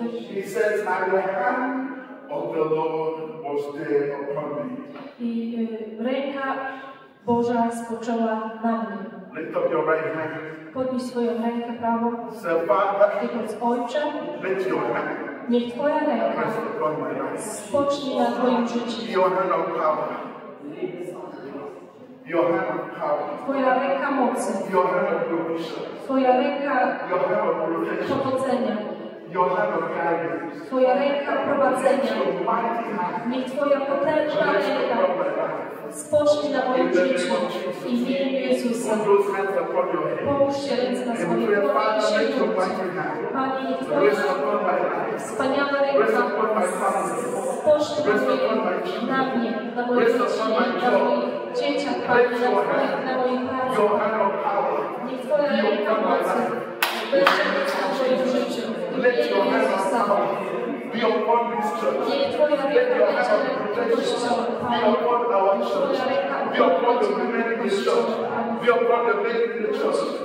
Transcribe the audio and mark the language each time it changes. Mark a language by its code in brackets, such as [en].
[en] He says, and the hand of the Lord was there upon me. [pl] I ręka Boża spoczęła na mnie. [en] Lift up your right hand. [pl] Podnieś swoją rękę prawą. [en] So, Father, [pl] wychodź Ojcze. [en] Lift your hand. [pl] Niech Twoja ręka spocznie na Twoim życiu. [en] Your hand of power. Your hand of power. [pl] Twoja ręka mocy. [en] Your hand of provision. [pl] Twoja ręka powodzenia. [en] Your hand of guidance. [pl] Twoja ręka prowadzenia. Niech Twoja potężna ręka spocznie na moim życiu. I w imię Jezusa. Połóż się ręce na swoje głowie i się Pani, niech Twoja wspaniała ręka spocznie na mnie, na mnie, na moje dzieci, na moich dzieciach, Pani, na moim pracy. Niech Twoja ręka mocy będzie być na moim życiu. [en] Let your hand of power be upon this church. Let your hand of protection be upon our church. Be upon the women in this church. Be upon the men in the church.